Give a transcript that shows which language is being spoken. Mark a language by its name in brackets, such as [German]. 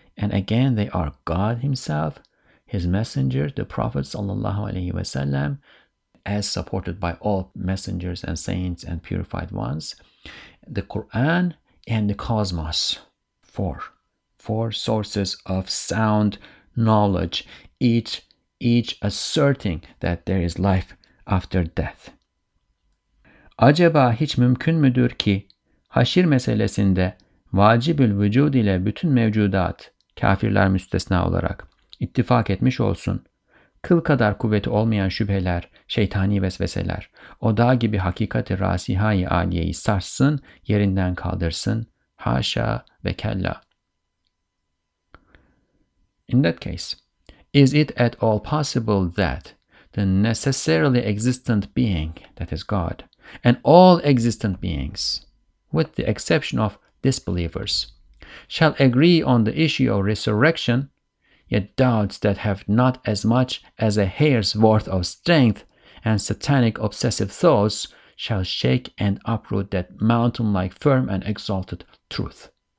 [English] And again, they are God himself, his messenger, the Prophet sallallahu alaihi wasallam, as supported by all messengers and saints and purified ones, the Quran and the cosmos. Four sources of sound knowledge, each asserting that there is life after death. [Turkish] Acaba hiç mümkün müdür ki haşir meselesinde vacibül vücud ile bütün mevcudat, kafirler müstesna olarak, ittifak etmiş olsun? Kıl kadar kuvveti olmayan şüpheler, şeytani vesveseler, o dağ gibi hakikati rasihai aliyeyi sarsın, yerinden kaldırsın, haşa ve kella. [English] In that case, is it at all possible that the necessarily existent being, that is God, and all existent beings, with the exception of disbelievers, shall agree on the issue of resurrection, yet doubts that have not as much as a hair's worth of strength and satanic obsessive thoughts shall shake and uproot that mountain-like firm and exalted truth?